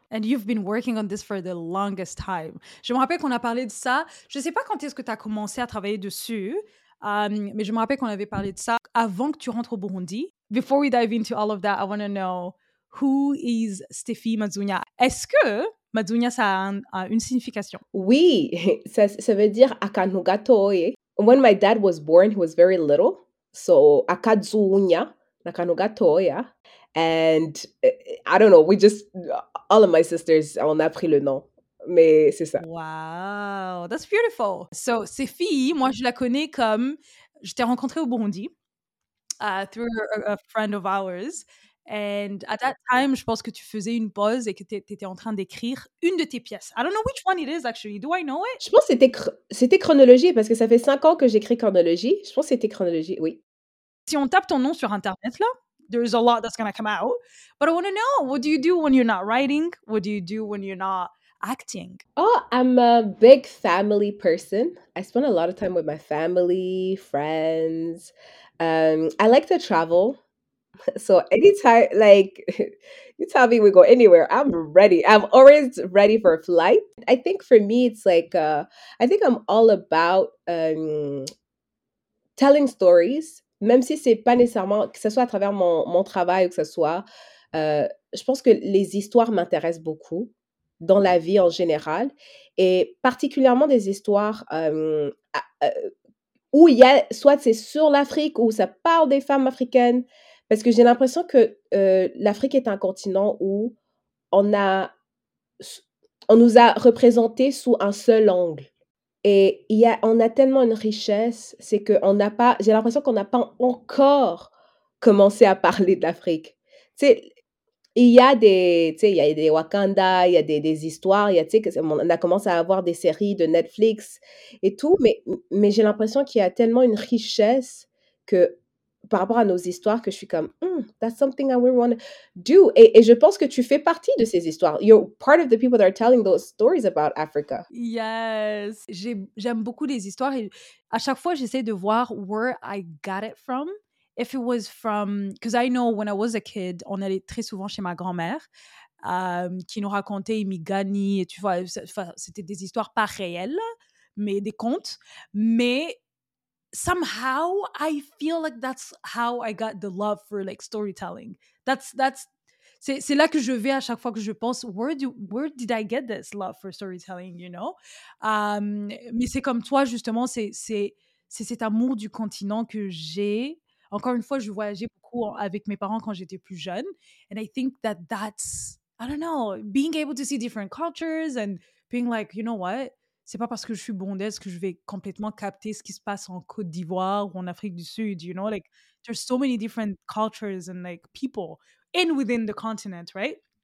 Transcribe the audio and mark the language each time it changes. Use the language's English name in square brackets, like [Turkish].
[English] And you've been working on this for the longest time. [French] Je me rappelle qu'on a parlé de ça. Je ne sais pas quand est-ce que tu as commencé à travailler dessus, mais je me rappelle qu'on avait parlé de ça avant que tu rentres au Burundi. [English] Before we dive into all of that, I want to know, who is Steffi Mazzugna? [French] Est-ce que Mazzugna, ça a, a une signification? Oui, ça veut dire Akanugato. [English] When my dad was born, he was very little. So, Akazunya, Akanugato, yeah. And I don't know, we just, all of my sisters, [French] on a pris le nom, mais c'est ça. [English] Wow, that's beautiful. So, [French] Steffi, moi, je la connais comme, je t'ai rencontrée au Burundi, [English] through a friend of ours. And at that time, [French] je pense que tu faisais une pause et que t'étais en train d'écrire une de tes pièces. [English] I don't know which one it is, actually. Do I know it? [French] Je pense que c'était Chronologie, parce que ça fait 5 ans que j'écris Chronologie. Je pense que c'était Chronologie, oui. Si on tape ton nom sur Internet, là, [English] there's a lot that's going to come out. But I want to know, what do you do when you're not writing? What do you do when you're not acting? Oh, I'm a big family person. I spend a lot of time with my family, friends. I like to travel. So anytime, like, you tell me we go anywhere, I'm ready. I'm always ready for a flight. I think for me, it's like, I think I'm all about telling stories. [French] Même si c'est pas nécessairement, que ce soit à travers mon travail ou que ce soit, je pense que les histoires m'intéressent beaucoup dans la vie en général et particulièrement des histoires où il y a, soit c'est sur l'Afrique ou ça parle des femmes africaines, parce que j'ai l'impression que l'Afrique est un continent où on nous a représenté sous un seul angle. Et on a tellement une richesse, c'est qu'on n'a pas, j'ai l'impression qu'on n'a pas encore commencé à parler de l'Afrique. Tu sais, il y a des Wakanda, il y a des histoires, on a commencé à avoir des séries de Netflix et tout, mais j'ai l'impression qu'il y a tellement une richesse que, par rapport à nos histoires, que je suis comme, [English] that's something I really want to do. [French] Et je pense que tu fais partie de ces histoires. [English] You're part of the people that are telling those stories about Africa. Yes. [French] J'aime beaucoup les histoires. Et à chaque fois, j'essaie de voir [English] where I got it from. If it was from... Because I know when I was a kid, [French] on allait très souvent chez ma grand-mère qui nous racontait Imigani. Et tu vois, c'était des histoires pas réelles, mais des contes. Mais... [English] somehow, I feel like that's how I got the love for like storytelling. [French] C'est là que je vais à chaque fois que je pense, [English] where did I get this love for storytelling, you know? [French] Mais c'est comme toi, justement, c'est cet amour du continent que j'ai. Encore une fois, je voyageais beaucoup avec mes parents quand j'étais plus jeune. [English] And I think that's, I don't know, being able to see different cultures and being like, you know what? [French] C'est pas parce que je suis bondaise que je vais complètement capter ce qui se passe en Côte d'Ivoire ou en Afrique du Sud, [English] you know? Like, there's so many different cultures and, like, people in within the continent, right?